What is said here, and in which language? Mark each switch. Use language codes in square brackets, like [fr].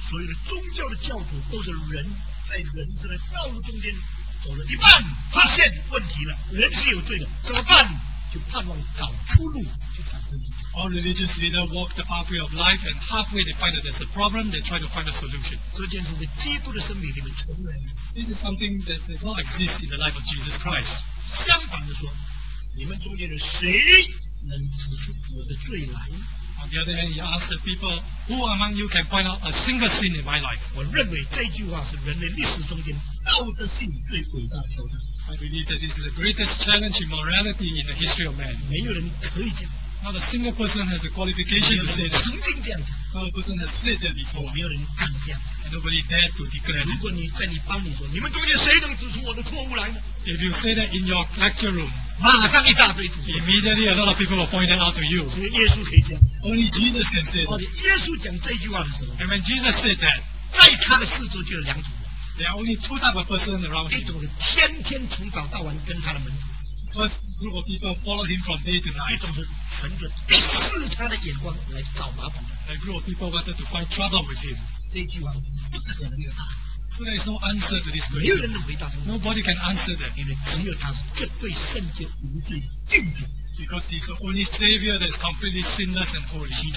[zh] 所有的宗教的教主都是人在人生的道路中间走了一半，发现问题了，人是有罪的，怎么办？就盼望找出路，就产生一个。 [en] All religious leaders walk the pathway of life, and halfway they find that there's a problem. They try to find a solution. [zh] 这件事在基督的生命里面存在。 [en] This is something that does not exist in the life of Jesus Christ. [zh] 相反的说，你们中间的谁？能指出我的罪来。 [en] On the other hand, he asked the people, "Who among you can find out a single sin in my life?" [zh] 我认为这句话是人类历史中间道德性最伟大的挑战。 [en] I believe that this is the greatest challenge in morality in the history of man. [zh] 没有人可以讲。 [en] Not a single person has the qualification to say. [zh] 曾经这样讲。 [en] Not a person has said that before. [zh] 没有人敢这样。 [en] And nobody dared to declare. [zh] 如果你在你班里说，你们中间谁能指出我的错误来呢？ [en] If you say that in your lecture room. [zh] 马上一大堆指出。 [en] Immediately, a lot of people will point that out to you. [zh] 只有耶稣可以讲。 [en] Only Jesus can say that. [zh] 耶稣讲这句话的时候。 [en] And when Jesus said that, [zh] 在他的四周就有两组人。 [en] There are only two types of person around him. [zh] 一种是天天从早到晚跟他的门徒。 [en] First group of people follow him from day to night. [zh] 一种是存着敌视他的眼光来找麻烦的。 [en] A group of people wanted to find trouble with him. [zh] 这句话不可能有答案。 [en] So there is no answer to this question. Nobody can answer that. Because he is the only savior that is completely sinless and holy.